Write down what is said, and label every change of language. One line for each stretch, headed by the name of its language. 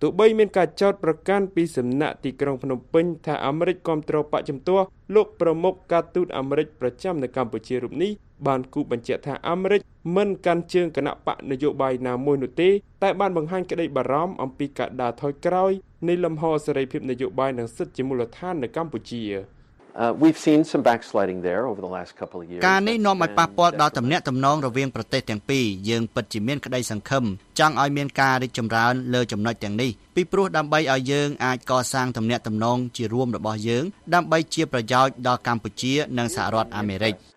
Khmer: ទោះបីមានការចោទប្រកាន់ពីសំណាក់ទីក្រុងភ្នំពេញថាអាមេរិកគាំទ្របកចំទាស់លោកប្រមុខការទូតអាមេរិកប្រចាំនៅកម្ពុជារូបនេះបានគូបញ្ជាក់ថាអាមេរិកមិនកាន់ជើងគណៈបកនយោបាយណាមួយនោះទេតែបានបង្ហាញក្តីបារម្ភអំពីការដាល់ថយក្រោយនៃលំហសេរីភាពនយោបាយនិងសិទ្ធិជាមូលដ្ឋាននៅកម្ពុជា
English: We've seen some backsliding there over the last couple of years.
Khmer: ការនេះនាំឲ្យប៉ះពាល់ដល់ទំនាក់ទំនងរវាងប្រទេសទាំងពីរយើងពិតជាមានក្តីសង្ឃឹមចង់ឲ្យមានការរីកចម្រើនលើចំណុចទាំងនេះពីព្រោះដើម្បីឲ្យយើងអាចកសាងទំនាក់ទំនងជារួមរបស់យើងដើម្បីជាប្រយោជន៍ដល់កម្ពុជានិងសហរដ្ឋអាមេរិក